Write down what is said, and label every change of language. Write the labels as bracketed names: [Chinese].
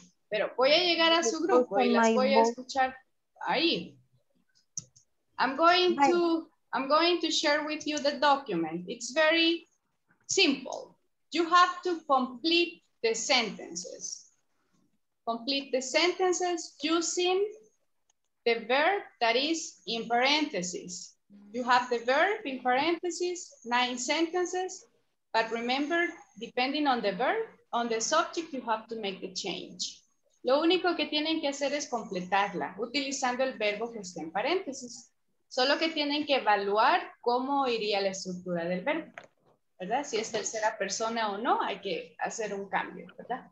[Spanish] Pero voy a llegar a su grupo y las voy a escuchar ahí. [English] I'm going to share with you the document. It's very simple. You have to complete the sentences. Complete the sentences using the verb that is in parentheses. You have the verb in parentheses, 9 sentences, but remember, depending on the verb, on the subject, you have to make the change. [Spanish] Lo único que tienen que hacer es completarla, utilizando el verbo que está en paréntesis. Solo que tienen que evaluar cómo iría la estructura del verbo. ¿Verdad? Si es tercera persona o no, hay que hacer un cambio, ¿verdad?